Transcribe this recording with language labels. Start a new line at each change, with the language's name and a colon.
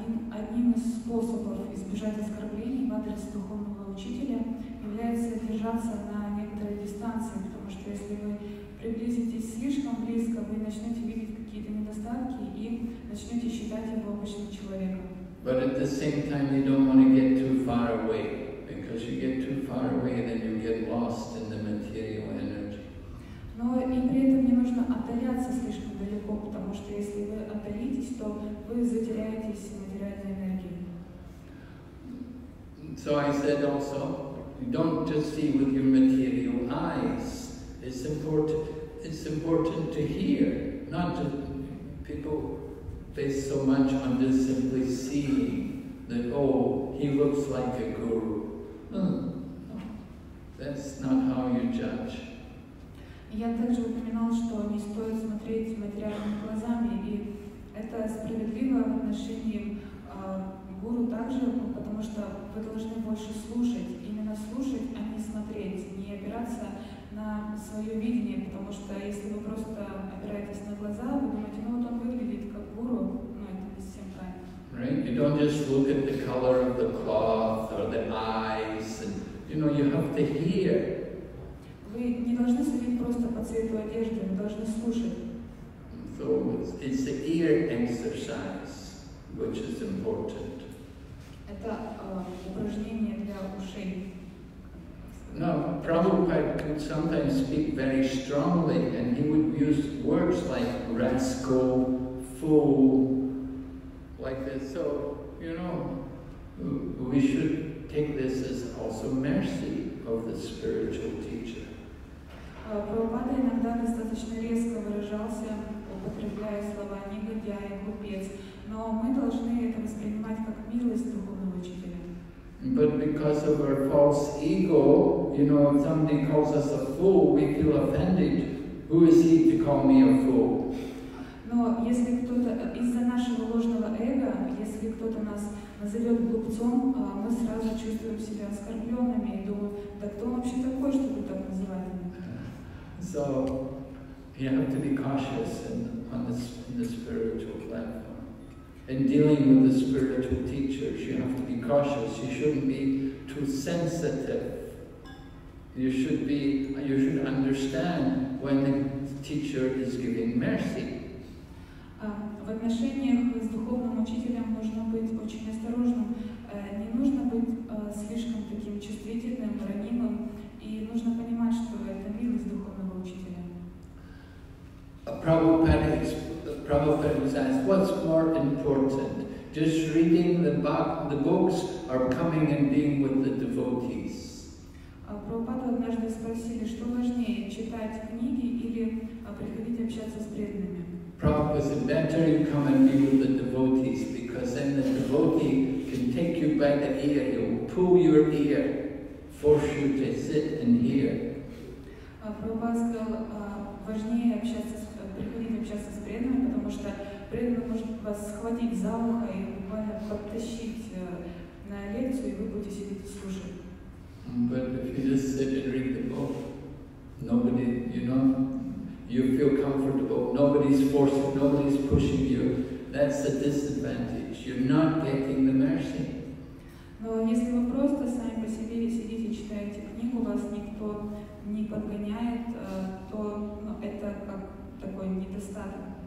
Russian: Одним из способов избежать оскорблений в адрес духовного учителя является держаться на некоторой дистанции, потому что если вы приблизитесь слишком близко, вы начнете видеть какие-то недостатки и начнете считать его обычным человеком.
English: But at the same time, you don't want to get too far away, because you get too far away, then you get lost in the material energy.
Russian: Но и при этом не нужно отдаляться слишком далеко, потому что если вы отдалитесь, то вы затеряетесь в материальной энергии.
English: So I said also, don't just see with your material eyes. It's important to hear, not just people based so much on just simply seeing that, oh, he looks like a guru. That's not how you judge.
Russian: Я также упоминал, что не стоит смотреть материальными глазами, и это справедливо в отношении гуру также, потому что вы должны больше слушать, именно слушать, а не смотреть, не опираться на свое видение, потому что если вы просто опираетесь на глаза, вы думаете, ну вот он выглядит как гуру, но это не совсем правильно.
English: Right? You don't just look at the color of the cloth or the eyes, and, you know, you have to hear.
Russian: Вы не должны следить просто по цвету одежды, вы должны слушать.
English: So it's the ear exercise, which is important.
Russian: Это упражнение для ушей.
English: No, Prabhupada could sometimes speak very strongly, and he would use words like rascal, fool, like this. So, you know, we should take this as also mercy of the spiritual teacher.
Russian: Прабхупада иногда достаточно резко выражался, употребляя слова негодяй, глупец, но мы должны это воспринимать как милость духовного учителя.
English: But because of our false ego, you know, if somebody calls us a fool, we feel offended. Who is he to call me a fool?
Russian: Но если кто-то из-за нашего ложного эго, если кто-то нас назовет глупцом, мы сразу чувствуем себя оскорбленными и думаем, так кто вообще такой, чтобы так называть меня?
English: So, you have to be cautious in the spiritual platform. In dealing with the spiritual teachers, you have to be cautious. You shouldn't be too sensitive. You should understand when the teacher is giving mercy.
Russian: В отношениях с духовным учителем нужно быть очень осторожным. Не нужно быть слишком таким чувствительным, ранимым, и нужно понимать, что это милость духовного учителя.
English: Prabhupada was asked, what's more important, just reading the books or coming and being with the devotees?
Russian: Prabhupada однажды спросили, что важнее, читать книги или приходить общаться с преданными?
English: Prabhupada said, better you come and be with the devotees, because then the devotee can take you by the ear, he will pull your ear, force you to sit and hear.
Russian: Prabhupada сказал, важнее приходить общаться с преданными, потому что преданный может вас схватить за ухо и буквально подтащить на лекцию, и вы будете сидеть и слушать.
English: But if you just sit and read the book, nobody, you know, you feel comfortable, nobody's forcing, nobody's pushing you, that's the disadvantage. You're not getting the mercy.
Russian: Но если вы просто сами по себе сидите, читаете книгу, вас никто не подгоняет, то ну, это как такой недостаток.